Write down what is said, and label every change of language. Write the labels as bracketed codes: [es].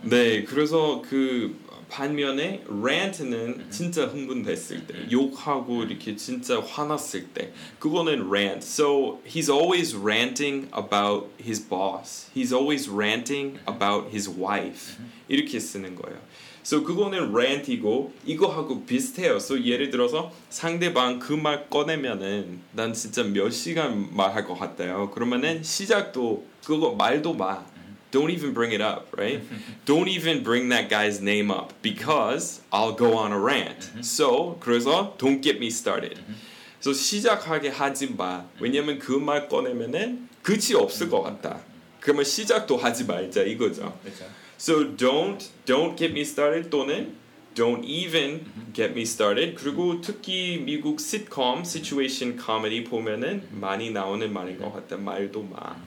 [ko] 네 그래서 그 반면에 rant는 진짜 흥분됐을 때 욕하고 이렇게 진짜 화났을 때 그거는 rant [en] so he's always ranting about his boss he's always ranting about his wife [ko] 이렇게 쓰는 거예요 So 그거는 rant이고 이거하고 비슷해요. So 예를 들어서 상대방 그 말 꺼내면은 난 진짜 몇 시간 말할 것 같아요. 그러면은 시작도 그거 말도 마. [en] Don't even bring it up, right? Don't even bring that guy's name up because I'll go on a rant. [ko] So 그래서 [en] don't get me started. [ko] So 시작하게 하지 마. 왜냐면 그 말 꺼내면은 끝이 없을 것 같다. 그러면 시작도 하지 말자 이거죠. 그렇죠. So [en] don't get me started [ko] 또는 [en] don't even get me started [ko] 그리고 특히 미국 sitcom, situation comedy 보면은 많이 나오는 말인 것 같아 말도 마